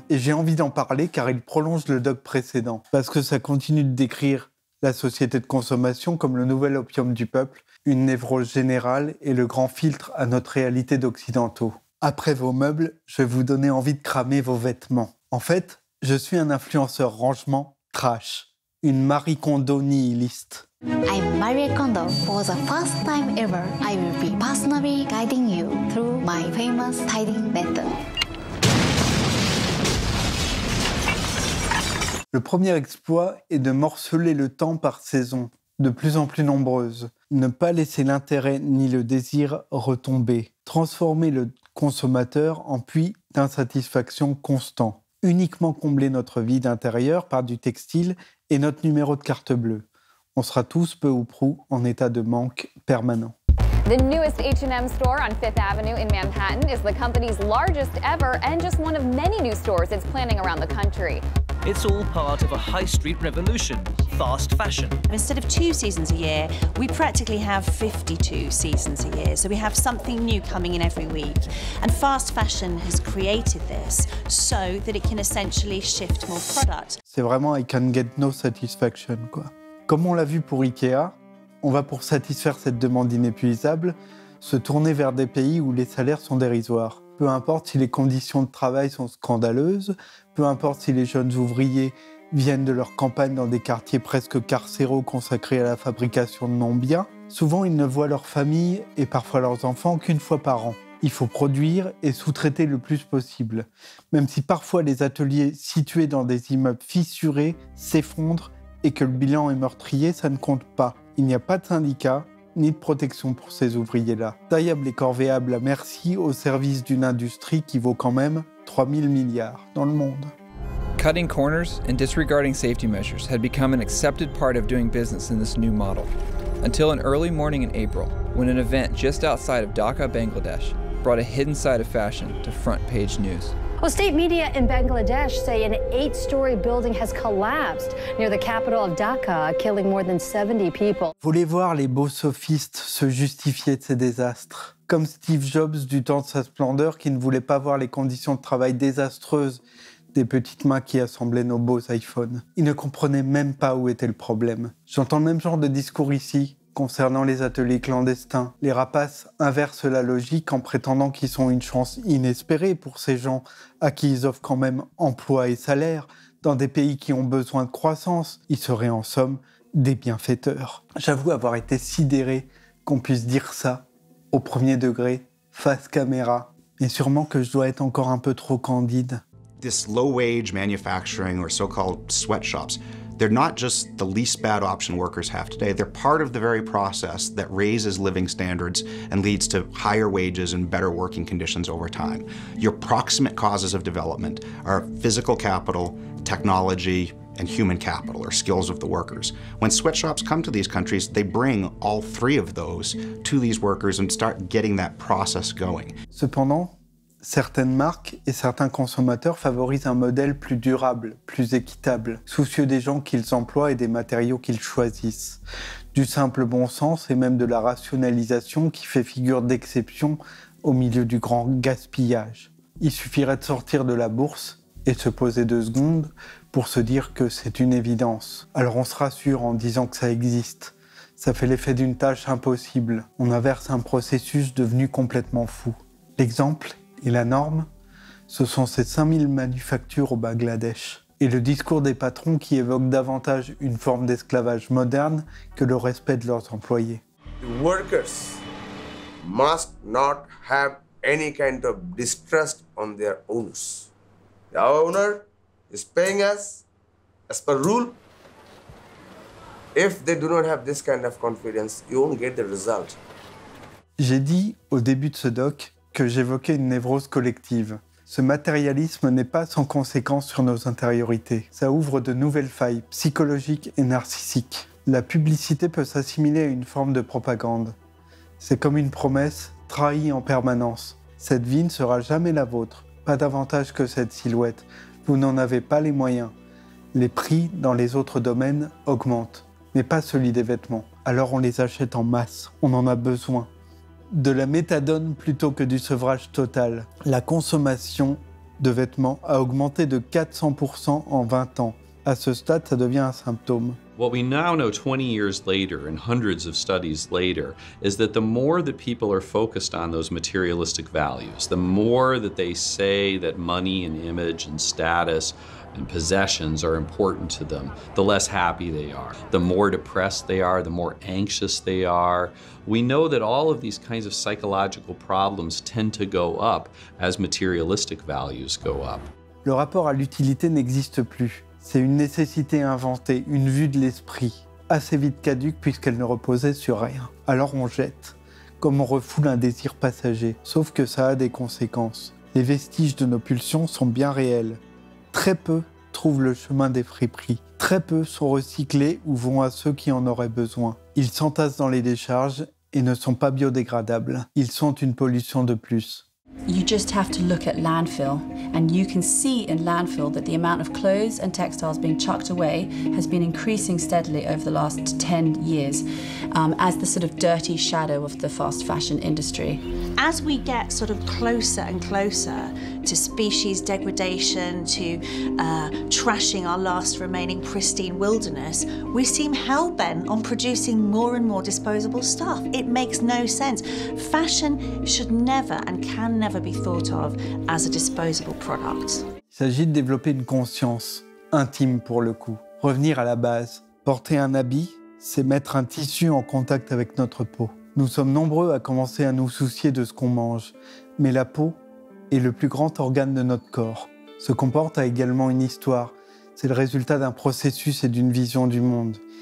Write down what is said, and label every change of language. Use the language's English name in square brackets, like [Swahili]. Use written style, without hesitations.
[French] Et j'ai envie d'en parler car il prolonge le doc précédent, parce que ça continue de décrire la société de consommation comme le nouvel opium du peuple, une névrose générale et le grand filtre à notre réalité d'occidentaux. Après vos meubles, je vais vous donner envie de cramer vos vêtements. En fait, je suis un influenceur rangement trash, une Marie Kondo nihiliste. [English] I'm Marie Kondo. For the first time ever, I will be personally guiding you through my famous tidying method. [French] Le premier exploit est de morceler le temps par saison, de plus en plus nombreuses. Ne pas laisser l'intérêt ni le désir retomber. Transformer le consommateur en puits d'insatisfaction constant. Uniquement combler notre vide intérieur par du textile et notre numéro de carte bleue. On sera tous peu ou prou en état de manque permanent. [English] The newest H&M store on Fifth Avenue in Manhattan is the company's largest ever and just one of many new stores it's planning around the country. It's all part of a high street revolution, fast fashion. Instead of two seasons a year, we practically have 52 seasons a year. So we have something new coming in every week. And fast fashion has created this so that it can essentially shift more product. [French] C'est vraiment, [English] I can get no satisfaction, [French] quoi. Comme on l'a vu pour IKEA, on va, pour satisfaire cette demande inépuisable, se tourner vers des pays où les salaires sont dérisoires. Peu importe si les conditions de travail sont scandaleuses, peu importe si les jeunes ouvriers viennent de leur campagne dans des quartiers presque carcéraux consacrés à la fabrication de non-biens, souvent ils ne voient leur famille et parfois leurs enfants qu'une fois par an. Il faut produire et sous-traiter le plus possible, même si parfois les ateliers situés dans des immeubles fissurés s'effondrent et que le bilan est meurtrier, ça ne compte pas. Il n'y a pas de syndicat ni de protection pour ces ouvriers-là. Taillables et corvéables à merci au service d'une industrie qui vaut quand même 3000 milliards dans le monde. [English] Cutting corners and disregarding safety measures had become an accepted part of doing business in this new model. Until an early morning in April, when an event just outside of Dhaka, Bangladesh, brought a hidden side of fashion to front page news. Well, state media in Bangladesh say an eight-story building has collapsed near the capital of Dhaka, killing more than 70 people. [French] Vous voulez voir les beaux sophistes se justifier de ces désastres, comme Steve Jobs du temps de sa splendeur qui ne voulait pas voir les conditions de travail désastreuses des petites mains qui assemblaient nos beaux iPhones. Ils ne comprenaient même pas où était le problème. J'entends le même genre de discours ici concernant les ateliers clandestins. Les rapaces inversent la logique en prétendant qu'ils sont une chance inespérée pour ces gens à qui ils offrent quand même emploi et salaire dans des pays qui ont besoin de croissance. Ils seraient en somme des bienfaiteurs. J'avoue avoir été sidéré qu'on puisse dire ça au premier degré, face caméra. Mais sûrement que je dois être encore un peu trop candide. [English] This low-wage manufacturing or so-called sweatshops, they're not just the least bad option workers have today. They're part of the very process that raises living standards and leads to higher wages and better working conditions over time. Your proximate causes of development are physical capital, technology, and human capital, or skills of the workers. When sweatshops come to these countries, they bring all three of those to these workers and start getting that process going. [French] Cependant, certaines marques et certains consommateurs favorisent un modèle plus durable, plus équitable, soucieux des gens qu'ils emploient et des matériaux qu'ils choisissent. Du simple bon sens et même de la rationalisation qui fait figure d'exception au milieu du grand gaspillage. Il suffirait de sortir de la bourse et de se poser deux secondes pour se dire que c'est une évidence. Alors on se rassure en disant que ça existe. Ça fait l'effet d'une tâche impossible. On inverse un processus devenu complètement fou. L'exemple ? Et la norme, ce sont ces 5000 manufactures au Bangladesh. Et le discours des patrons qui évoque davantage une forme d'esclavage moderne que le respect de leurs employés. [English] The workers must not have any kind of distrust on their owners. The owner is paying us as per rule. If they do not have this kind of confidence, you won't get the result. [French] J'ai dit au début de ce doc que j'évoquais une névrose collective. Ce matérialisme n'est pas sans conséquence sur nos intériorités. Ça ouvre de nouvelles failles psychologiques et narcissiques. La publicité peut s'assimiler à une forme de propagande. C'est comme une promesse trahie en permanence. Cette vie ne sera jamais la vôtre, pas davantage que cette silhouette. Vous n'en avez pas les moyens. Les prix dans les autres domaines augmentent, mais pas celui des vêtements. Alors on les achète en masse, on en a besoin. De la méthadone plutôt que du sevrage total. La consommation de vêtements a augmenté de 400% en 20 ans. À ce stade, ça devient un symptôme. [English] What we now know 20 years later and hundreds of studies later is that the more that people are focused on those materialistic values, the more that they say that money and image and status and possessions are important to them, the less happy they are, the more depressed they are, the more anxious they are. We know that all of these kinds of psychological problems tend to go up as materialistic values go up. [French] Le rapport à l'utilité n'existe plus. C'est une nécessité inventée, une vue de l'esprit, assez vite caduque puisqu'elle ne reposait sur rien. Alors on jette, comme on refoule un désir passager. Sauf que ça a des conséquences. Les vestiges de nos pulsions sont bien réels. Très peu trouvent le chemin des friperies. Très peu sont recyclés ou vont à ceux qui en auraient besoin. Ils s'entassent dans les décharges et ne sont pas biodégradables. Ils sont une pollution de plus. [English] You just have to look at landfill, and you can see in landfill that the amount of clothes and textiles being chucked away has been increasing steadily over the last 10 years, as the sort of dirty shadow of the fast fashion industry. As we get sort of closer and closer to species degradation, to trashing our last remaining pristine wilderness, we seem hell-bent on producing more and more disposable stuff. It makes no sense. Fashion should never and can never be thought of as a disposable product. [French] Il s'agit de développer une conscience intime pour le coup. Revenir à la base. Porter un habit, c'est mettre un tissu en contact avec notre peau. Nous sommes nombreux à commencer à nous soucier de ce qu'on mange, mais la peau est le plus grand organe de notre corps. Ce qu'on porte a également une histoire. C'est le résultat d'un processus et d'une vision du monde.